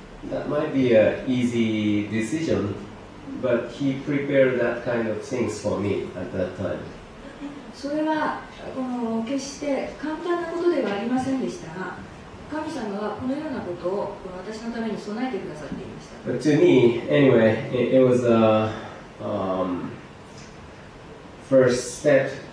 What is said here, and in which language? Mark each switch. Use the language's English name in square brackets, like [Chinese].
[English] That might be an easy decision, but he prepared that kind of things for me at that time. [Japanese] それはこの決して簡単なことではありませんでしたが、神様はこのようなことをこの私のために備えてくださっていました。 [English] But to me, anyway, it was a first step